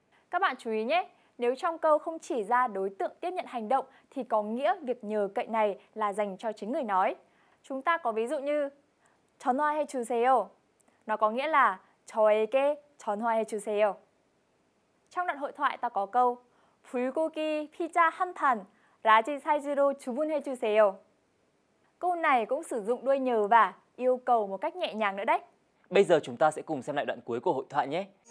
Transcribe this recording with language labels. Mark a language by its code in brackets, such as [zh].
[vi] Các bạn chú ý nhé. Nếu trong câu không chỉ ra đối tượng tiếp nhận hành động thì có nghĩa việc nhờ cậy này là dành cho chính người nói. Chúng ta có ví dụ như [ko] 전화해 주세요. [vi] Nó có nghĩa là [ko] 저에게 전화해 주세요. [vi] Trong đoạn hội thoại ta có câu [ko] 불고기 피자 한 판 라지 사이즈로 주문해 주세요. [vi] Câu này cũng sử dụng đuôi nhờ và yêu cầu một cách nhẹ nhàng nữa đấy. Bây giờ chúng ta sẽ cùng xem lại đoạn cuối của hội thoại nhé.